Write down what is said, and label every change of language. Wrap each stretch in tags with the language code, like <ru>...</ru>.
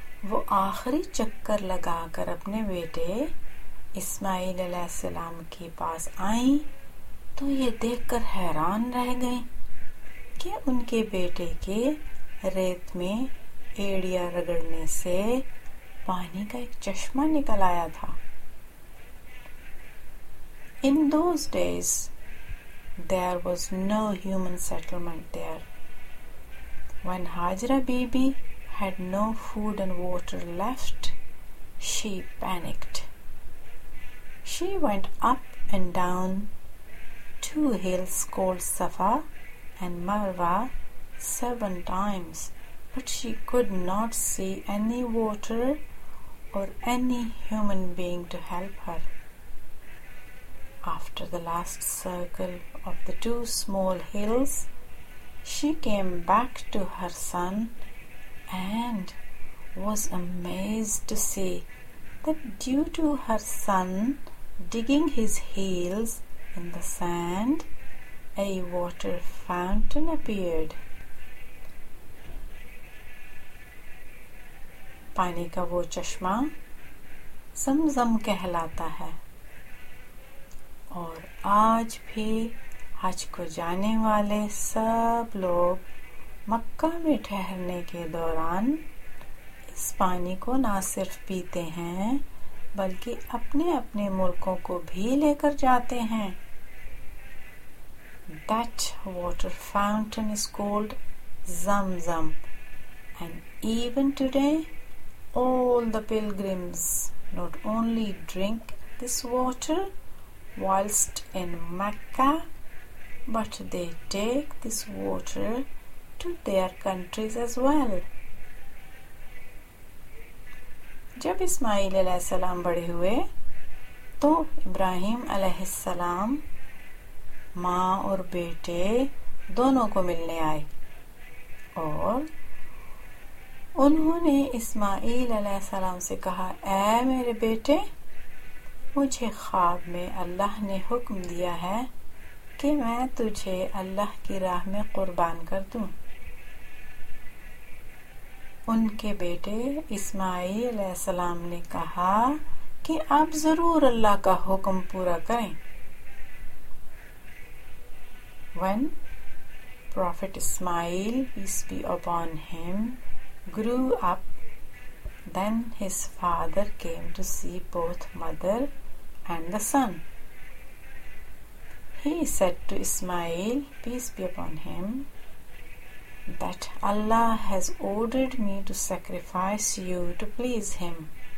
<ur>وہ آخری چکر لگا کر اپنے بیٹے اسماعیل علیہ السلام کے پاس آئیں تو یہ دیکھ کر حیران رہ گئیں کہ ان کے بیٹے کے ریت میں ایڑیاں رگڑنے سے پانی کا ایک چشمہ نکل آیا تھا.</ur> <en>In those days there was no human settlement there. When Hajra Bibi had no food and water left, she panicked. She went up and down two hills called Safa and Marwa 7 times, but she could not see any water or any human being to help her. After the last circle of the 2 small hills, she came back to her son and was amazed to see that due to her son digging his heels in the sand, a water fountain appeared.</en> <ur>پانی کا وہ چشمہ زمزم کہلاتا ہے, اور آج بھی حج کو جانے والے سب لوگ مکہ میں ٹھہرنے کے دوران اس پانی کو نہ صرف پیتے ہیں بلکہ اپنے اپنے ملکوں کو بھی لے کر جاتے ہیں.</ur> <en>That water fountain is called Zamzam, and even today all the pilgrims not only drink this water whilst in Mecca, but they take this water to their countries as well.</en> <ur>Jab Ismail alaihi salam bade hue to Ibrahim alaihi salam ماں اور بیٹے دونوں کو ملنے آئے, اور انہوں نے اسماعیل علیہ السلام سے کہا, اے میرے بیٹے, مجھے خواب میں اللہ نے حکم دیا ہے کہ میں تجھے اللہ کی راہ میں قربان کر دوں. ان کے بیٹے اسماعیل علیہ السلام نے کہا کہ آپ ضرور اللہ کا حکم پورا کریں.</ur> <en>When Prophet Ismail, peace be upon him, grew up, then his father came to see both mother and the son. He said to Ismail, peace be upon him, that Allah has ordered me to sacrifice you to please him.</en>